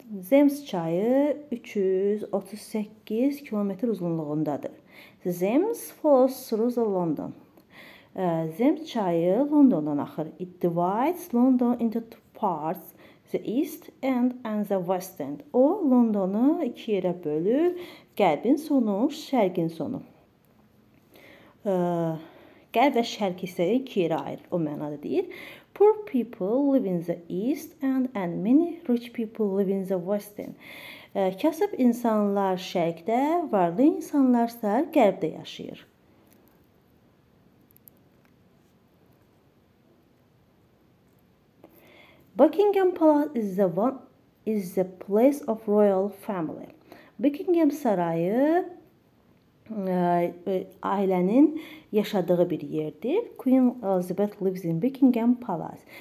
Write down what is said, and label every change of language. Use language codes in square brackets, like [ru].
[az] Thames çayı 338 km uzunluğundadır. [en] The Thames flows through the London. [az] Thames çayı London'dan axır. [en] It divides London into two parts, the East End and the West End. [az] O, London'u iki yerə bölür, qərbin sonu, şərqin sonu. Qərb və şərq isə iki yerə ayrılır, o mənada deyir. [en] Poor people live in the East End and many rich people live in the West End. [az] Kasıb insanlar şərqdə, varlı insanlar isə qərbdə yaşayır. [en] Buckingham Palace is the place of royal family. [az] Buckingham Sarayı ailənin yaşadığı bir yerdir. [en] Queen Elizabeth lives in Buckingham Palace.